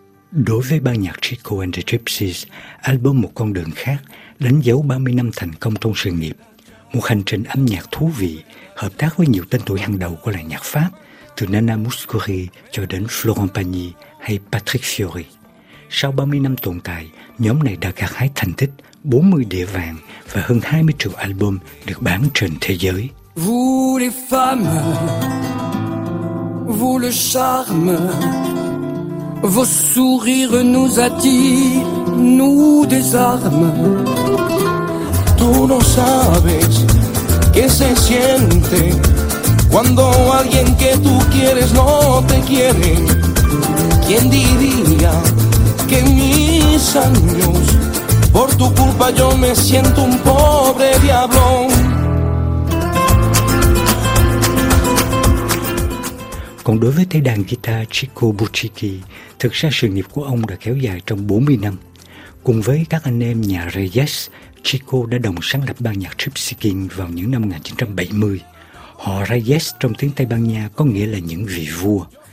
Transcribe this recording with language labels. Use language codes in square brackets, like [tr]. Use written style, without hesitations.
[vi] Đối với ban nhạc Chico and the Gypsies, album Một Con Đường Khác đánh dấu 30 năm thành công trong sự nghiệp, một hành trình âm nhạc thú vị, hợp tác với nhiều tên tuổi hàng đầu của làng nhạc Pháp, từ Nana Mouskouri cho đến Florent Pagny hay Patrick Fiori. Sau 30 năm tồn tại, nhóm này đã gặt hái thành tích 40 đĩa vàng và hơn 20 triệu album được bán trên thế giới. [fr] Vous les femmes, vous le charme, vos sourires nous attirent, nous désarment. [es] Tu no sabes que se siente cuando alguien que tú quieres no te quiere. ¿Quién diría que mis años por tu culpa yo me siento un pobre diablo? [vi] Còn đối với thầy đàn guitar Chico Buchiki, thực ra sự nghiệp của ông đã kéo dài trong 40 năm. Cùng với các anh em nhà Reyes, Chico đã đồng sáng lập ban nhạc Gypsy King vào những năm 1970. Họ Reyes trong tiếng Tây Ban Nha có nghĩa là những vị vua.